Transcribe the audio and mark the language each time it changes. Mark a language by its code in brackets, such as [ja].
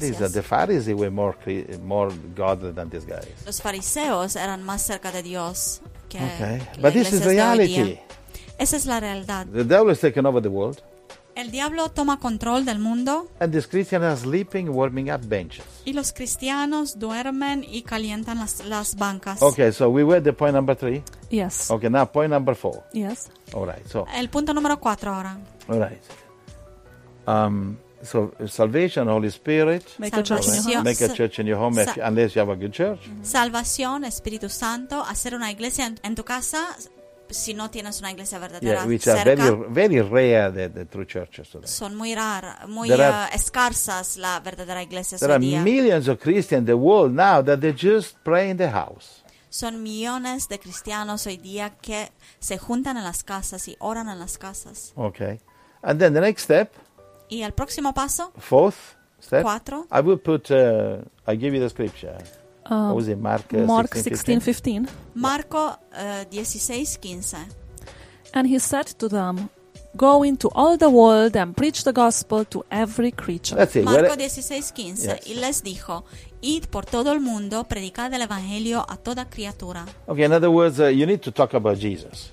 [en] These are the Pharisees were more God than these guys. [es] Los fariseos eran más cerca de Dios que [en] okay. [es] Que [en] but this is reality. [es] Esa es la realidad. [en] The devil has taken over the world. [es] El diablo toma control del mundo. [en] And these Christians are sleeping, warming up benches. [es] Y los cristianos duermen y calientan las bancas. [en] Okay, so we were at the point number 3. Yes. Okay, now point number 4. Yes. All right. So. [es] El punto número 4 ahora. [en] All right. So salvation, Holy Spirit. Make a church in your home, unless you have a good church. Mm-hmm. [es] Salvación, Espíritu Santo, hacer una iglesia en tu casa. Si no tienes una iglesia verdadera, [en] yeah, which are [es] cerca, [en] very very rare the true churches today. [es] Son muy raras, muy escasas la verdadera iglesia. [en] There are [es] día. [en] Millions of Christians in the world now that they just pray in the house. [es] Son millones de cristianos hoy día que se juntan en las casas y oran en las casas. [en] Okay, and then the next step. [es] Y el próximo paso. [en] Fourth step. [es] Cuatro. [en] I will put. I give you the scripture. What was it, Mark 16:15. [es] Marco 16:15. [en] And he said to them, go into all the world and preach the gospel to every creature. That's it. [es] Marco 16:15. Yes. Y les dijo, id por todo el mundo, predicad el evangelio a toda criatura. [en] Okay, in other words, you need to talk about Jesus.